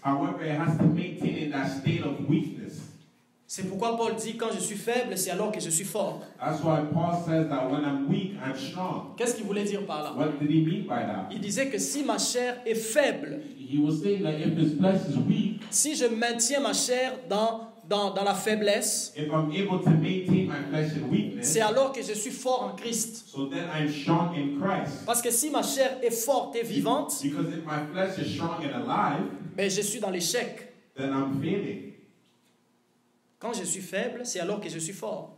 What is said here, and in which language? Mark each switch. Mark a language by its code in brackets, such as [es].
[en] However, it has to maintain in that state of weakness. [fr] C'est pourquoi Paul dit, quand je suis faible, c'est alors que je suis fort. [en] That's why Paul says that when I'm weak, I'm strong. [fr] Qu'est-ce qu'il voulait dire par là? [en] What did he mean by that? [fr] Il disait que si ma chair est faible, [en] he was saying that if his flesh is weak, [fr] si je maintiens ma chair dans la faiblesse, [en] if I'm able to maintain my flesh in weakness, [fr] c'est alors que je suis fort en Christ. [en] So then I'm strong in Christ. [fr] Parce que si ma chair est forte et vivante, [en] because if my flesh is strong and alive, [fr] ben je suis dans l'échec. [en] Then I'm failing. [fr] Quand je suis faible, c'est alors que je suis fort.